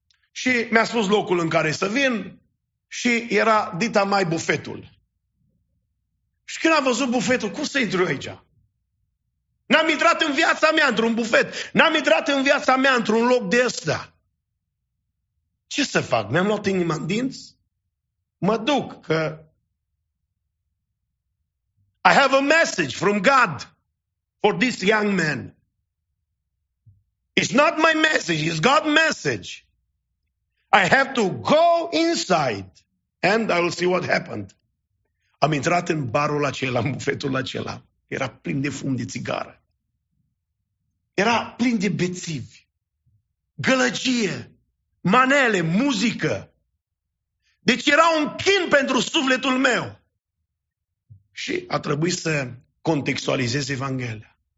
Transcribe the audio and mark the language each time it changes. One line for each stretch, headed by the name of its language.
Romanian: Și mi-a spus locul în care să vin și era dita mai bufetul. Și când am văzut bufetul, cum să intru aici? N-am intrat în viața mea într-un bufet. N-am intrat în viața mea într-un loc de ăsta. Ce să fac? Mi-am luat inima în dinți? Mă duc că...
English: I have a message from God for this young man. It's not my message, it's God's message. I have to go inside and I will see what happened.
Romanian: Am intrat în barul acela, în bufetul acela. Era plin de fum de țigară. Era plin de bețivi, gălăgie, manele, muzică. Deci era un chin pentru sufletul meu. Și a trebuit să contextualizez Evanghelia.